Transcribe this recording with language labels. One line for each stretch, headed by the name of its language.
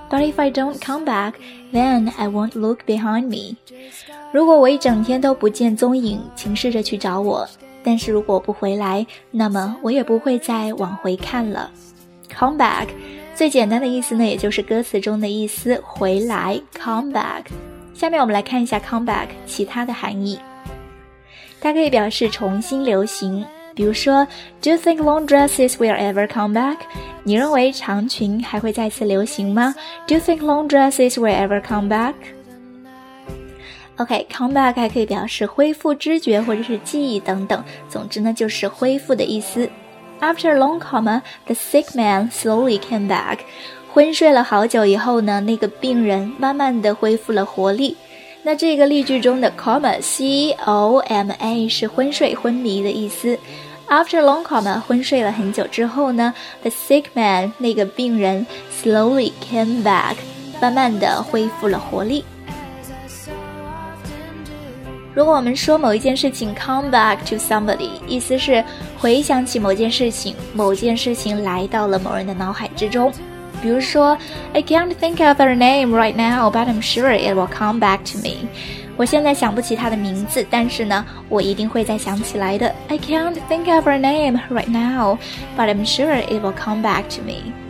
English: But if I don't come back, then I won't look behind me.
Chinese: 如果我一整天都不见踪影，请试着去找我。但是如果不回来，那么我也不会再往回看了。 Come back, 最简单的意思呢，也就是歌词中的意思，回来 ,come back. 下面我们来看一下 come back 其他的含义。它可以表示重新流行。比如说
English: Do you think long dresses will ever come back?
Chinese: 你认为长裙还会再次流行吗？
English: Do you think long dresses will ever come back?
Chinese: OK, come back 还可以表示恢复知觉或者是记忆等等，总之呢就是恢复的意思。
English: After a long coma, the sick man slowly came back.
Chinese: 昏睡了好久以后呢，那个病人慢慢地恢复了活力。那这个例句中的 coma, C-O-M-A 是昏睡昏迷的意思。
English: After long coma,
Chinese: 昏睡了很久之后呢，
English: The sick man,
Chinese: 那个病人
English: slowly came back,
Chinese: 慢慢地恢复了活力。如果我们说某一件事情
English: come back to somebody,
Chinese: 意思是回想起某件事情，某件事情来到了某人的脑海之中。比如说
English: I can't think of her name right now, but I'm sure it will come back to me.
Chinese: 我现在想不起她的名字，但是呢，我一定会再想起来的。
English: I can't think of her name right now, but I'm sure it will come back to me.